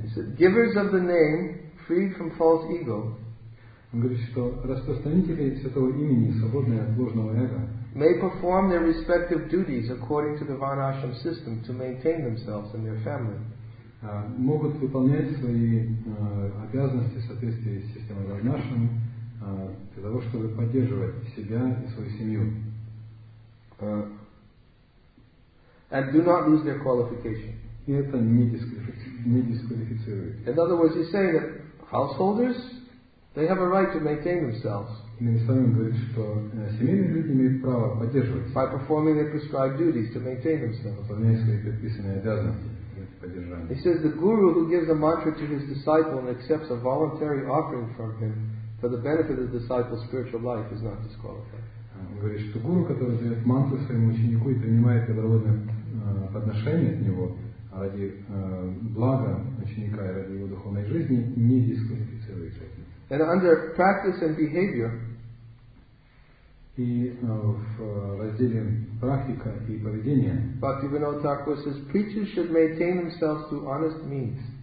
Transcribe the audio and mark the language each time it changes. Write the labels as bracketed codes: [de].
[en] He said, givers of the name, freed from false ego. [ru] Он говорит, что распространители святого имени, свободные от ложного эго, [en] may perform their respective duties according to the Varnashram system to maintain themselves and their family. [ru] Могут выполнять свои обязанности в соответствии с системой Варнашрама для того, чтобы поддерживать себя и свою семью. [en] And do not lose their qualification. [ru] И это не дисквалифицирует. [en] In other words, he's saying that householders, they have a right to maintain themselves. [ru] Иными словами, он говорит, что семейные люди имеют право поддерживать. [en] By performing their prescribed duties to maintain themselves. [ru] Выполняя свои предписанные обязанности. [en] He says the guru who gives a mantra to his disciple and accepts a voluntary offering from him for the benefit of the disciple's spiritual life is not disqualified. [ru] Он говорит, что гуру, который дает мантру своему ученику и принимает добровольное подношение от него ради блага ученика и ради его духовной жизни, не дисквалифицируется. [en] And under practice and behavior, [ru] и в разделе практика и поведение, [en] Bhaktivinoda Thakur says, preachers should maintain themselves through honest means.